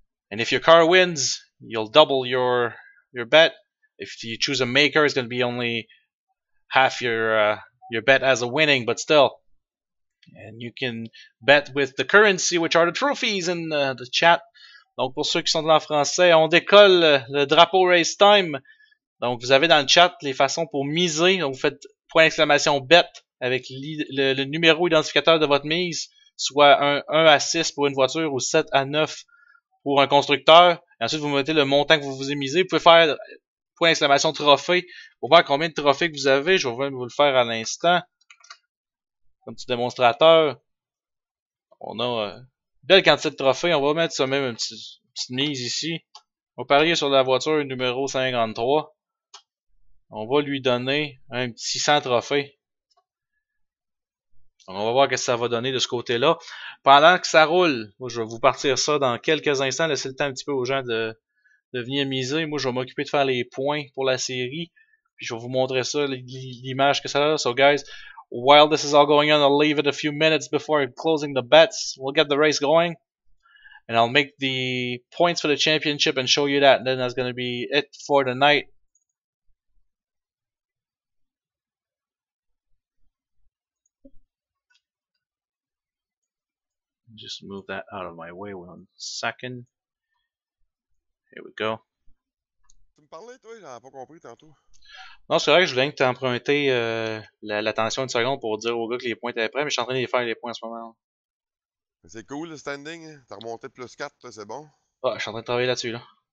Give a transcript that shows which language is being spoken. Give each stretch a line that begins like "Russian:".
English: And if your car wins, you'll double your bet. If you choose a maker, it's going to be only half your bet as a winning, but still. And you can bet with the currency, which are the trophies in the chat.
French: Donc pour ceux qui sont en français, on décolle le drapeau race time. Donc vous avez dans le chat les façons pour miser. Donc vous faites point exclamation bet avec le numéro identificateur de votre mise. Soit un 1 à 6 pour une voiture ou 7 à 9 pour un constructeur. Et ensuite, vous mettez le montant que vous vous misez. Vous pouvez faire point d'exclamation trophée pour voir combien de trophées que vous avez. Je vais vous le faire à l'instant. Comme petit démonstrateur. On a une belle quantité de trophées. On va mettre ça même une petite mise ici. On va parier sur la voiture numéro 53. On va lui donner un petit 100 trophées. Donc, on va voir ce que ça va donner de ce côté-là. Pendant que ça roule, moi, je vais vous partir ça dans quelques instants, laisser le temps un petit peu aux gens de venir miser. Moi, je vais m'occuper de faire les points pour la série. Puis, je vais vous montrer ça, l'image que ça a.
English: So, guys, while this is all going on, I'll leave it a few minutes before closing the bets. We'll get the race going. And I'll make the points for the championship and show you that. And then that's going to be it for the night. Just move that out of my way one second. Here we go.
French: Tu me parlais, toi, j'avais pas compris tantôt. Non, c'est vrai que je voulais que tu empruntais l'attention une seconde pour dire au gars que les points étaient prêts, mais je suis en train de faire les points en ce moment. C'est cool le standing, t'as remonté de plus 4, là, c'est bon. Ah, oh, je suis en train de travailler là-dessus, là.